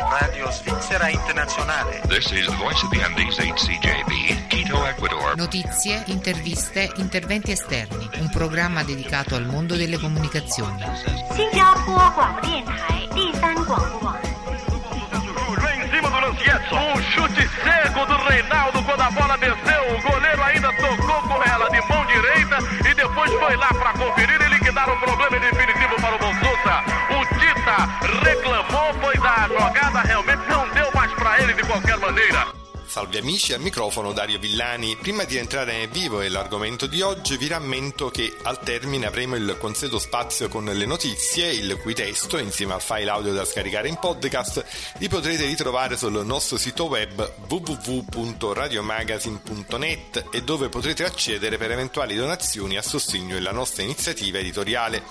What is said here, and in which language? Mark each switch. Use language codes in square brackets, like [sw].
[it] Radio Svizzera Internazionale. [en] This is the voice of the Andes, HCJB, Quito, Ecuador. [it] Notizie, interviste, interventi esterni. Un programma dedicato al mondo delle comunicazioni. [en] Singapore Radio Station, [it] il terzo radio. [pt] Qui in cima di uno schiaccio, un chute cego do Reinaldo quando a bola desceu, o goleiro ainda tocou com ela de mão direita e depois foi lá para conferir e liquidar o problema definitivo para o Bolsonaro. Reclamou, pois a jogada realmente não deu mais pra ele de qualquer maneira. [it] Salve amici, al microfono Dario Villani. Prima di entrare nel vivo e l'argomento di oggi, vi rammento che al termine avremo il consueto spazio con le notizie, il cui testo, insieme al file audio da scaricare in podcast, li potrete ritrovare sul nostro sito web www.radiomagazine.net e dove potrete accedere per eventuali donazioni a sostegno della nostra iniziativa editoriale.